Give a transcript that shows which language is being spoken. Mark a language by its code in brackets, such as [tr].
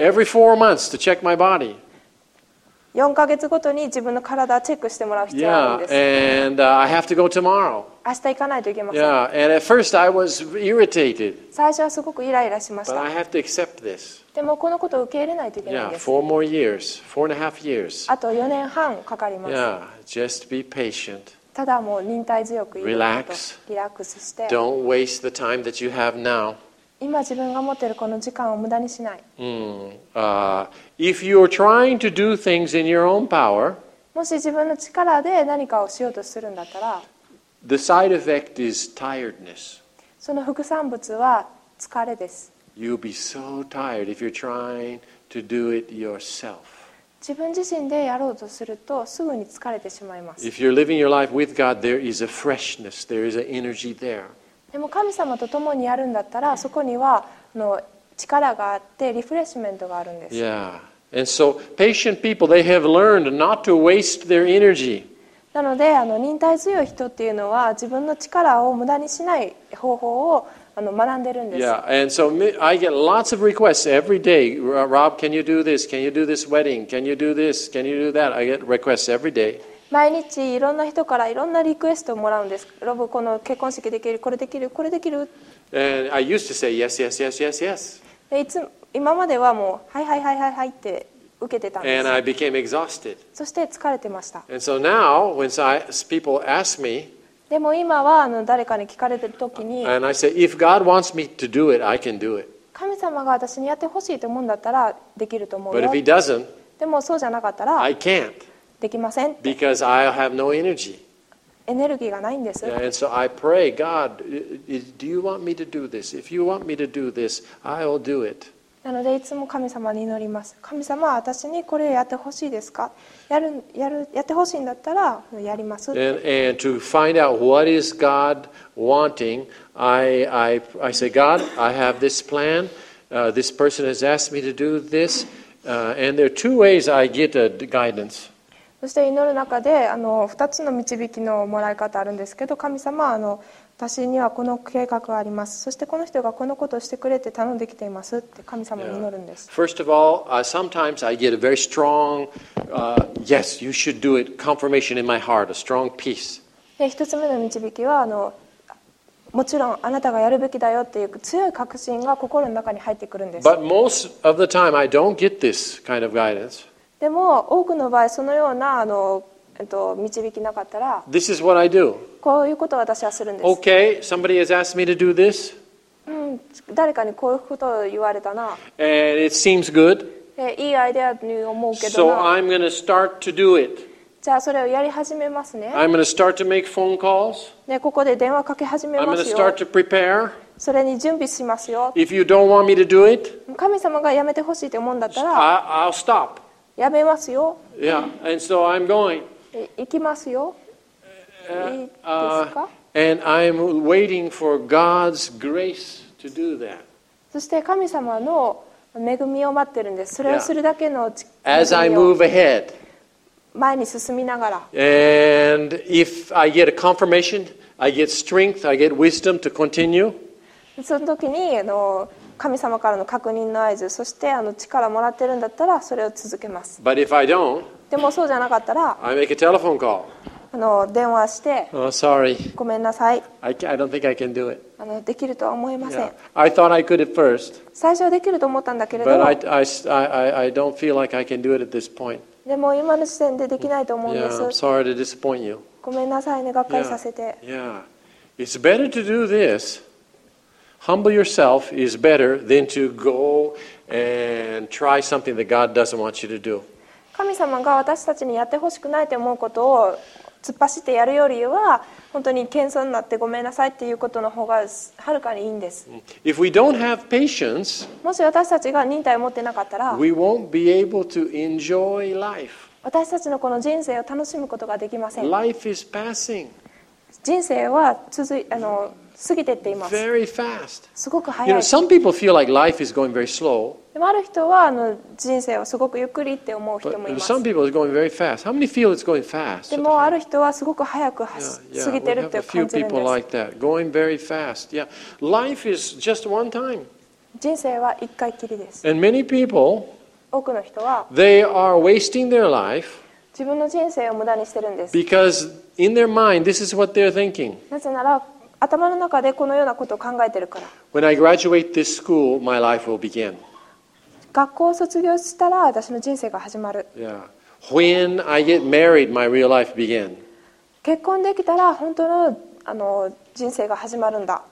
[en] Every 4 months to check my body. [ja] 4ヶ月ごとに自分の体をチェックしてもらう必要があるんです。 [en] Yeah. And I have to go tomorrow. [ja] 明日行かないといけません。 [en] Yeah. And at first I was irritated. [ja] 最初はすごくイライラしました。 [en] But I have to accept this. [ja] でもこのことを受け入れないといけないんです。 [en] Yeah, four more years, four and a half years. [ja] あと4年半かかります。 [en] Yeah, just be patient. [ja] ただもう忍耐強くいること。 リラックスして。 [en] Don't waste the time that you have now. [ja] 今自分が持っているこの時間を無駄にしない。 [en] If you're trying to do things in your own power, [ja] もし自分の力で何かをしようとするんだったら、 [en] the side effect is tiredness. [ja] その副産物は疲れです。 [en] You'll be so tired if you're trying to do it yourself. [ja] 自分自身でやろうとするとすぐに疲れてしまいます。 [en] If you're living your life with God, there is a freshness, there is an energy there. [ja] でも神様と共にやるんだったらそこには力があってリフレッシュメントがあるんです。 [en] Yeah. And so patient people, they have learned not to waste their energy. [ja] なので忍耐強い人っていうのは自分の力を無駄にしない方法を学んでるんです。 [en] Yeah, and so I get lots of requests every day. Rob, can you do this? Can you do this wedding? Can you do this? Can you do that? I get requests every day. [ja] 毎日いろんな人からいろんなリクエストをもらうんです。ロブ、この結婚式できる、これできる、これできる。 [en] And I used to say yes, yes, yes, yes, yes. [ja] で、いつ、今まではもうはいはいはいはいはいって受けてたんです。 [en] And I became exhausted. [ja] そして疲れてました。 [en] And so now, when people ask me, [ja] でも今は誰かに聞かれてるときに、 [en] And I say, if God wants me to do it, I can do it. [ja] 神様が私にやってほしいと思うんだったらできると思うよ。 [en] But if He doesn't, [ja] でもそうじゃなかったら、 [en] I can't. [ja] できませんって。 [en] Because I have no energy. [ja] エネルギーがないんです。 [en] Yeah, and so I pray, God, do you want me to do this? If you want me to do this, I will do it. [ja] なのでいつも神様に祈ります。神様は私にこれをやってほしいですか？やってほしいんだったらやります。 [en] And to find out what is God wanting, I say, God, I have this plan. This person has asked me to do this. And there are two ways I get a guidance. [ja] そして祈る中で2つの導きのもらい方あるんですけど、神様は私にはこの計画があります。そしてこの人がこのことをしてくれて頼んできていますって神様に祈るんです。 [en] Yeah. First of all, sometimes I get a very strong, yes, you should do it, confirmation in my heart, a strong peace. [ja] で、一つ目の導きはもちろんあなたがやるべきだよっていう強い確信が心の中に入ってくるんです。 [en] But most of the time, I don't get this kind of guidance. [ja] でも多くの場合そのような導きなかったら、 [en] This is what I do. [ja] こういうことを私はするんです。 [en] Okay, somebody has asked me to do this. [ja] 誰かにこういうことを言われたな。 [en] And it seems good. [ja] いいアイデアに思うけど。 [en] So I'm going to start to do it. [ja] じゃあそれをやり始めますね。 [en] I'm going to start to make phone calls. [ja] ね、ここで電話かけ始めますよ。 [en] I'm going to start to prepare. [ja] それに準備しますよ。 [en] If you don't want me to do it, [ja] 神様がやめてほしいと思うんだったら、 [en] I'll stop. [ja] やめますよ。 [en] Yeah, and so I'm going. [ja] 行きますよ。 [en] And I'm waiting for God's grace to do that. [ja] そして神様の恵みを待ってるんです。それをするだけの恵みを。 [en] As I move ahead. [ja] 前に進みながら。 [en] And if I get a confirmation, I get strength, I get wisdom to continue. [ja] その時に神様からの確認の合図、そして力をもらってるんだったらそれを続けます。 [en] But if I don't, [ja] でもそうじゃなかったら、 [en] I make a telephone call. [ja] 電話して、 [en] oh, sorry. [ja] ごめんなさい。 [en] I don't think I can do it. [ja] できるとは思えません。 [en] Yeah. I thought I could at first. [ja] 最初はできると思ったんだけれども、 [en] But I don't feel like I can do it at this point. [ja] でも今の時点でできないと思うんです。 [en] Yeah, I'm sorry to disappoint you. [ja] ごめんなさいね、がっかりさせて。 [en] Yeah. Yeah. It's better to do this. Humble yourself is better than to go and try something that God doesn't want you to do. [ja] 神様が私たちにやってほしくないと思うことを突っ走ってやるよりは本当に謙遜になってごめんなさいっていうことの方がはるかにいいんです。 [en] If we don't have patience, [ja] もし私たちが忍耐を持ってなかったら [en] we won't be able to enjoy life. [ja] 私たちのこの人生を楽しむことができません。 [en] Life is passing. [ja] 人生は過ぎていっています。 [en] Very fast. [ja] すごく速い。 [en] You know, some people feel like life is going very slow. [ja] でもある人は人生をすごくゆっくりって思う人もいます。 [en] But some people are going very fast. How many feel it's going fast? [ja] でもある人はすごく速く過ぎてるって感じるんです。 [en] Yeah, yeah, we have a few people like that. Going very fast. Yeah. Life is just one time. [ja] 人生は一回きりです。 [en] And many people, [ja] 多くの人は、 [en] they are wasting their life. [ja] 自分の人生を無駄にしてるんです。 [en] Because in their mind, this is what they're thinking. [ja] なぜなら、頭の中でこのようなことを考えているから。 [en] When I graduate this school, my life will begin. [ja] 学校を卒業したら私の人生が始まる。 [en] Yeah. When I get married, my real life begin. [ja] 結婚できたら本当の、人生が始まるんだ。